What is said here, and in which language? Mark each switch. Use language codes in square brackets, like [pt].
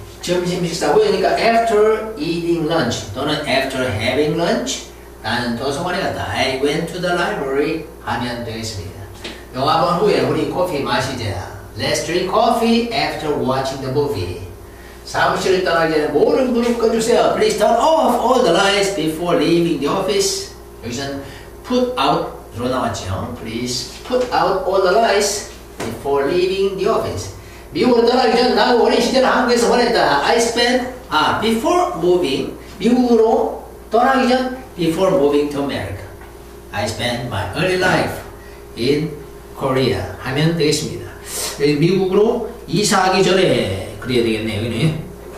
[ko] 점심 식사 후, 그러니까 [en] after eating lunch [ko] 또는 [en] after having lunch, [ko] 나는 도서관에 갔다. [en] I went to the library [ko] 하면 되겠습니다. 영화 본 후에 우리 커피 마시자. [en] Let's drink coffee after watching the movie. [ko] 사무실을 떠나기 전에 모든 불을 꺼주세요. [en] Please turn off all the lights before leaving the office. [ko] 여기서는 put out로 나왔죠. [en] Please put out all the lights before leaving the office. [ko] 미국을 떠나기 전 나 어린 시절 한국에서 보냈다. [en] I spent, before moving, [ko] 미국으로 떠나기 전 [en] before moving to America. I spent my early life in Korea [ko] 하면 되겠습니다. 미국으로 이사하기 전에 그래야 되겠네요. 그냥.